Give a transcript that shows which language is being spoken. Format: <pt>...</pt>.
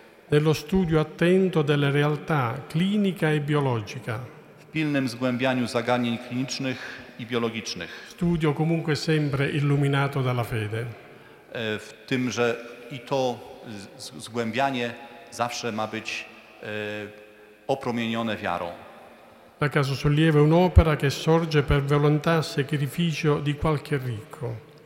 <it>Nello studio attento della realtà clinica e biologica.</it> <pl>W pilnym zgłębianiu zagadnień klinicznych i biologicznych.</pl> <it>Studio comunque sempre illuminato dalla fede.</it> <pl>W tym, że i to zgłębianie zawsze ma być opromienione wiarą.</pl> <it>La Casa Sollievo è un'opera che sorge per volontà e sacrificio di qualche ricco.</it>